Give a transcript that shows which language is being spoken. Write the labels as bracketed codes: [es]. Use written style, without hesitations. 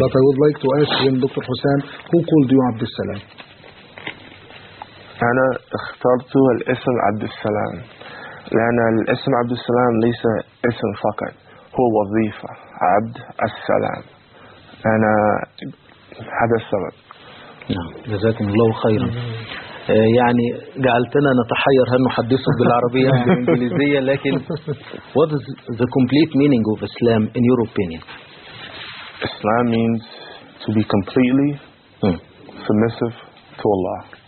[en] But I would like to ask him, Dr. Hussain, who called you عبد السلام؟ [ar] أنا اخترت الاسم عبد السلام لأن الاسم عبد السلام ليس اسم فقط، هو وظيفة. عبد السلام، أنا هذا السبب. نعم. جزاكم الله خيرا. يعني جعلتنا نتحير هل نحدثه بالعربية أو بالإنجليزية. لكن [en] what is the complete meaning of Islam in your opinion? Islam means to be completely submissive to Allah.